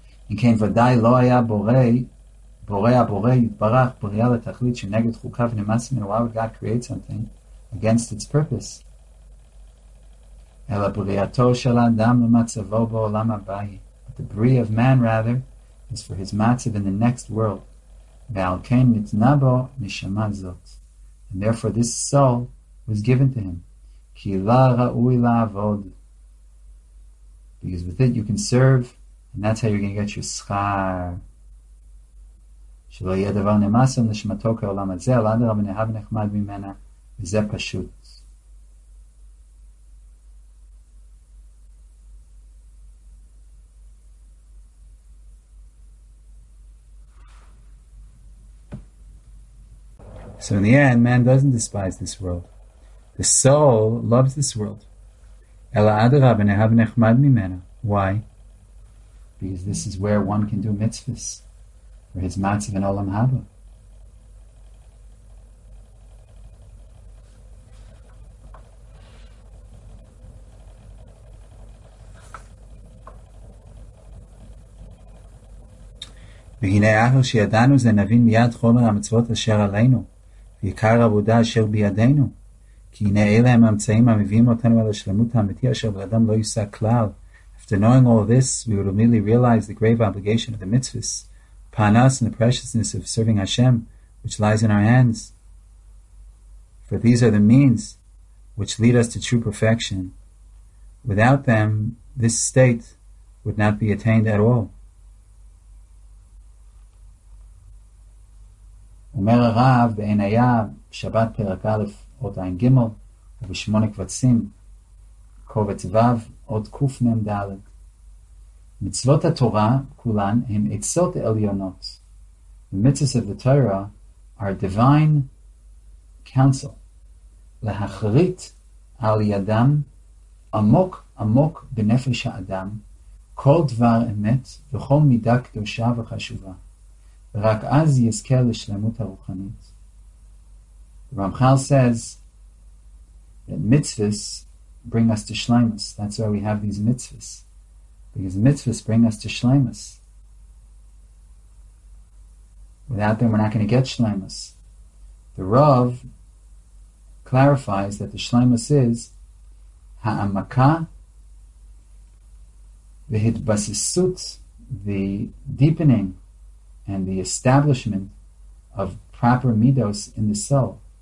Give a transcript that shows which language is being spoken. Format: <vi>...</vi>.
<he>אם כן ודאי לא היה בורא יתברך בריאה לתכלית שנגד חוקה ונמאס ממנו.</he> <en>Why would God create something against its purpose?</en> <he>אלא בריאתו של האדם למצבו בעולם הבא.</he> <en>But the bria of man rather is for his matzav in the next world.</en> <he>ועל כן ניתנה בו נשמה זאת.</he> <en>And therefore this soul was given to him.</en> <he>כי לא ראוי לעבוד.</he> <en>Because with it you can serve. And that's how you're going to get your schar.</en> <he>שלא יהיה דבר נמאס על נשמתו כעולם הזה, אלא אדרבה נאהב נחמד ממנה, וזה פשוט.</he> <en>So in the end, man doesn't despise this world. The soul loves this world.</en> <he>אלא אדרבה נאהב נחמד ממנה.</he> <en>Why? Because this is where one can do mitzvahs for his matzav and olam haba.</en> <he>והנה אחר שידענו זה נבין מיד חומר המצוות אשר עלינו ועיקר עבודה אשר בידינו כי הנה אלה הם המצאים המביאים אותנו על השלמות האמיתי אשר באדם לא יישא כלל.</he> <en>After knowing all this, we would immediately realize the grave obligation of the mitzvahs upon us and the preciousness of serving Hashem, which lies in our hands. For these are the means which lead us to true perfection. Without them, this state would not be attained at all.</en> <he>Omer Rav Be'enaya Shabbat Perak Aleph Otayin Gimel Ubishmonek Vatsim Kovetz Vav עוד קוף מם דלת. מצוות התורה כולן הן עצות עליונות.</he> <en>The mitzvahs of the Torah are divine counsel.</en> <he>להחריט על ידם עמוק עמוק בנפש האדם כל דבר אמת וכל מידה קדושה וחשובה. רק אז יזכה לשלמות הרוחנית.</he> <en>רמח"ל says that mitzvahs bring us to Shleimus. That's why we have these mitzvahs. Because mitzvahs bring us to Shleimus. Without them, we're not going to get Shleimus. The Rav clarifies that the Shleimus is Ha'amakah V'hitbasisut, the deepening and the establishment of proper midos in the soul.</en>